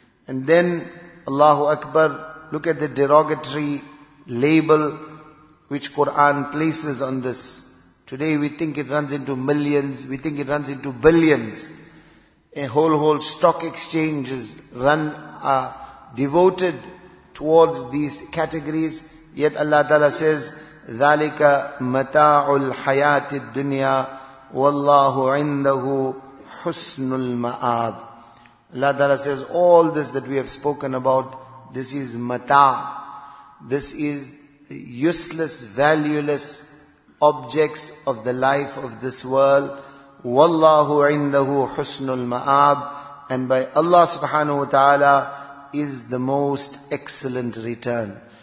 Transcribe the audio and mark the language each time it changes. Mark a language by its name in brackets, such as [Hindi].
[English] And then, Allahu Akbar, look at the derogatory label which Quran places on this. Today we think it runs into millions, we think it runs into billions. A whole stock exchanges are devoted towards these categories. Yet Allah Ta'ala says, [Arabic] ذَلِكَ مَتَاعُ الْحَيَاةِ الدُّنْيَا وَاللَّهُ عِنْدَهُ حُسْنُ الْمَآبِ. [English] Allah Ta'ala says, all this that we have spoken about, this is mata. This is useless, valueless objects of the life of this world. Wallahu indahu husnul ma'ab. And by Allah subhanahu wa ta'ala is the most excellent return.